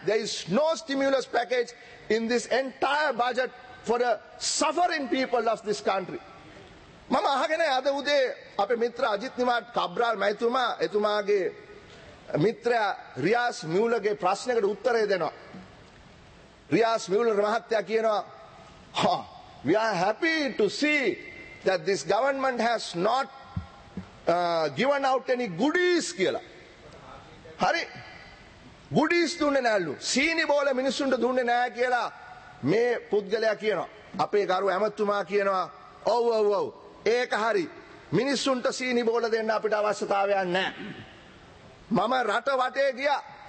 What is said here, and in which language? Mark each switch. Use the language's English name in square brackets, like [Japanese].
[English] There is no stimulus package in this entire budget for the suffering people of this country. [Sinhala] මම අහගෙන අද උදේ අපේ මිත්‍ර අජිත් නිවාඩ් කබ්‍රාල් මහත්මයා එතුමාගේ මිත්‍රයා රියාස් මියුලගේ ප්‍රශ්නකට උත්තරය දෙනවා. [English] Riyas Miyula [Sinhala] මහත්තයා කියනවා, [English] "We are happy to see that this government has not given out any goodies [Sinhala] කියලා. හරි. goodies දුන්නේ නැලු. සීනි බෝල මිනිස්සුන්ට දුන්නේ නැහැ කියලා මේ පුද්ගලයා කියනවා. අපේ ගරු ඇමතුමා කියනවා, "ඔව් ඔව් ඔව්. ඒක හරි. මිනිස්සුන්ට සීනි බෝල දෙන්න අපිට අවශ්‍යතාවයක් නැහැ." මම රට වටේ ගියා.